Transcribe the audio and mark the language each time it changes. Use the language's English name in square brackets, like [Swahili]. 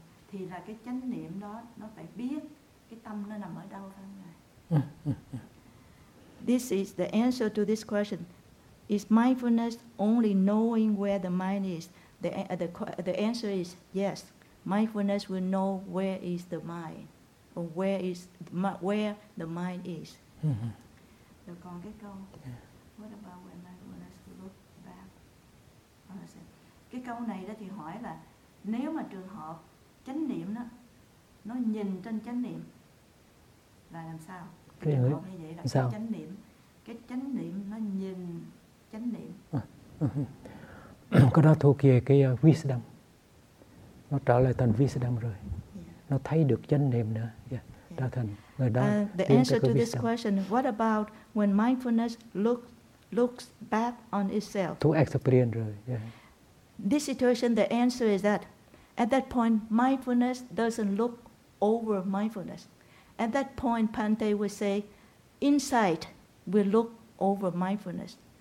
[Vietnamese] Thì là cái chánh niệm đó nó phải biết cái tâm nó nằm ở đâu thôi. [English] This is the answer to this question. Is mindfulness only knowing where the mind is? The answer is yes. Mindfulness will know where is the mind, or where the mind is. [Vietnamese] Rồi còn cái câu, [English] what about when mindfulness look back? [Vietnamese] Cái câu này đó thì hỏi là nếu mà trường hợp chánh niệm đó nó nhìn trên chánh niệm là làm sao? Cái trường hợp như vậy là sao? Cái chánh niệm nó nhìn chánh niệm. Cái đó thuộc về cái wisdom. Nó trở lại thành wisdom rồi. Nó thấy được chánh niệm nữa. Đó thành người đó. [English] The answer to this question, what about when mindfulness looks back on itself? To experience rồi. This situation, the answer is that at that point, mindfulness doesn't look over mindfulness. At that point, Bhante would say, insight will look over mindfulness.